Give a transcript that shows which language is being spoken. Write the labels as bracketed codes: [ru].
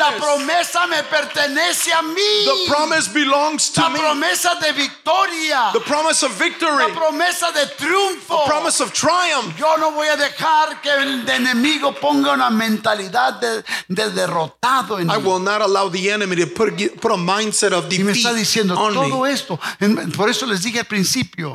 [es] La promesa me pertenece a mí. [en] The promise belongs to [es] me. La promesa de victoria. [en] The promise of victory. [es] La promesa de triunfo. [en] The promise of triumph. [es] Yo no voy a dejar que el enemigo ponga una mentalidad de derrotado en [en] I will not allow the enemy to put a mindset of defeat [es] y me está diciendo todo esto por eso les dije al principio.